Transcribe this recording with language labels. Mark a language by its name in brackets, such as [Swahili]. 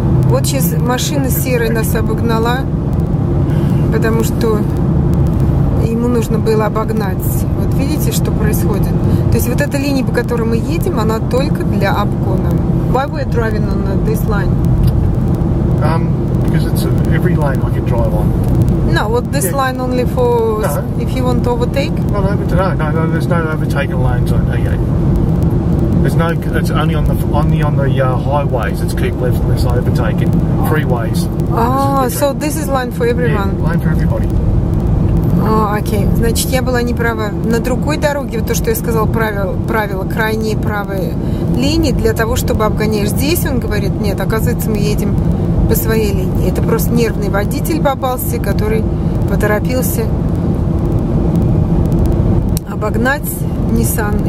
[Russian] Вот сейчас машина серая нас обогнала, потому что ему нужно было обогнать. Вот видите, что происходит? То есть вот эта линия, по которой мы едем, она только для обгона. [English] Why were you driving on this line? Because it's every line I can drive on. No, what this line only for if you want to overtake? No, there's no overtaking lanes on here. There's no. It's only on the highways. It's keep left unless I overtake it. Freeways. So this is line for everyone. Yeah, line for everybody. [Russian] Окей. Значит, я была не права. На другой дороге, вот то, что я сказала, правило крайние правые линии для того, чтобы обгонять. Здесь он говорит, нет, оказывается, мы едем по своей линии. Это просто нервный водитель попался, который поторопился обогнать Nissan.